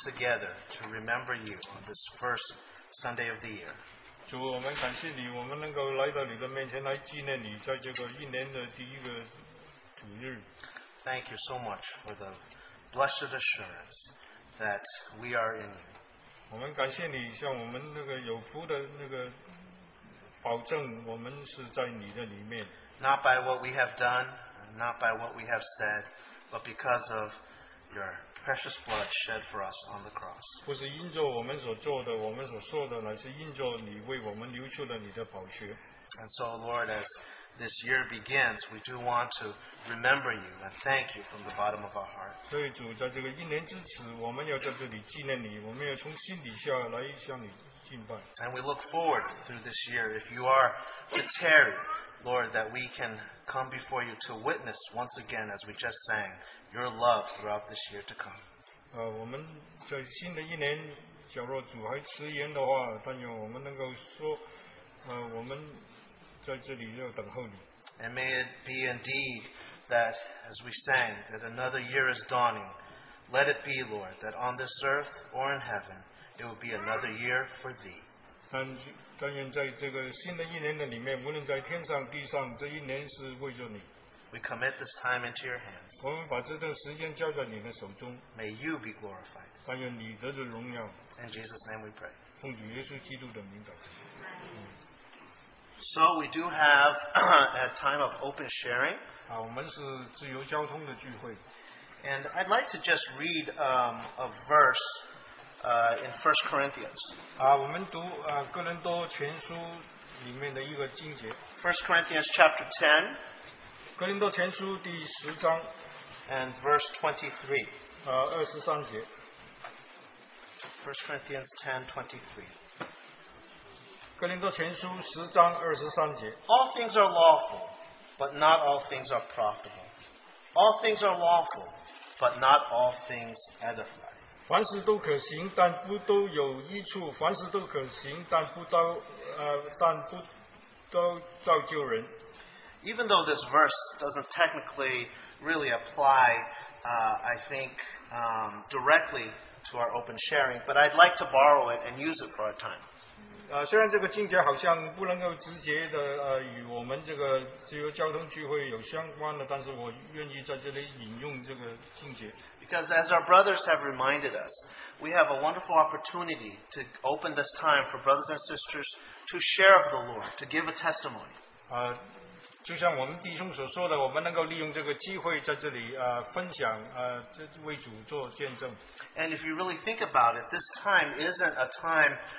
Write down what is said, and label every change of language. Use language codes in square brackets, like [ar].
[en] together to remember you on this first Sunday of the year. [zh] 主，我们感谢你，我们能够来到你的面前来纪念你，在这个一年的第一个主日。 [en] Thank you so much for the blessed assurance that we are in you. [zh] 我们感谢你，像我们那个有福的那个保证，我们是在你的里面。 [en] Not by what we have done, not by what we have said, but because of your precious blood shed for us on the cross. [zh] 不是因着我们所做的，我们所说的，乃是因着你为我们流出了你的宝血。 [en] And so, Lord, as this year begins, we do want to remember you and thank you from the bottom of our heart. [zh] 所以主，在这个一年之时，我们要在这里纪念你，我们要从心底下来向你敬拜。 [en] And we look forward through this year, if you are to tarry, Lord, that we can come before you to witness once again, as we just sang, your love throughout this year to come. [zh] 我们在新的一年，假若主还迟延的话，但愿我们能够说，我们在这里要等候你。 [en] And may it be indeed that, as we sang, that another year is dawning. Let it be, Lord, that on this earth or in heaven, it will be another year for thee. [zh] 但愿在这个新的一年的里面，无论在天上地上，这一年是为着你。 [en] We commit this time into your hands. [zh] 我们把这段时间交在你的手中。 [en] May you be glorified. [zh] 但愿你得着荣耀。 [en] In Jesus' name we pray. [zh] 奉主耶稣基督的名祷告。 [en] So we do have a time of open sharing. [zh] 我们是自由交通的聚会。 [en] And I'd like to just read a verse in 1 Corinthians. [zh] 我们读哥林多前书里面的一个经节。 [en] 1 Corinthians chapter 10. [zh] 哥林多前书第十章。 [en] And verse 23. [zh] 二十三节。 [en] 1 Corinthians 10:23. [zh] 哥林多前书十章二十三节。 [en] All things are lawful, but not all things are profitable. All things are lawful, but not all things edify. [zh] 凡事都可行，但不都有益处。凡事都可行，但不都但不都造就人。 [en] Even though this verse doesn't technically really apply, I think directly to our open sharing, but I'd like to borrow it and use it for our time. [zh] 虽然这个经节好像不能够直接的与我们这个自由交通聚会有相关的，但是我愿意在这里引用这个经节。 [en] Because as our brothers have reminded us, we have a wonderful opportunity to open this time for brothers and sisters to share of the Lord, to give a testimony. [zh] 就像我们弟兄所说的，我们能够利用这个机会在这里分享为主做见证。 [en] And if you really think about it, this time isn't a time.